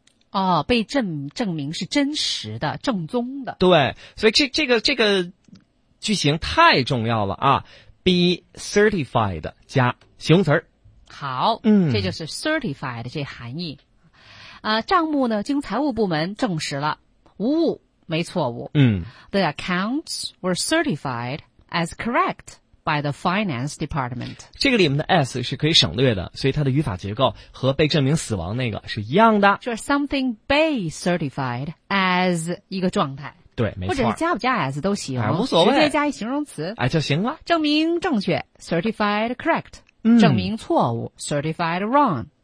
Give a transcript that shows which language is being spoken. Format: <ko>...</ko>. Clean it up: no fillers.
<zh>哦，被证明是真实的、正宗的。对，所以这个句型太重要了啊 ！be certified 加形容词儿。好，这就是 certified 这含义。账目呢，经财务部门证实了无误。没错误。</zh> <en>The accounts were certified as correct by the finance department.</en> <zh>这个里面的 S 是可以省略的，所以它的语法结构和被证明死亡那个是一样的。就是 something by certified as 一个状态。对，没错。或者是加不加 S 都行，无所谓，直接加一形容词，就行了。证明正确 ，certified correct。证明错误 ，certified wrong。</zh>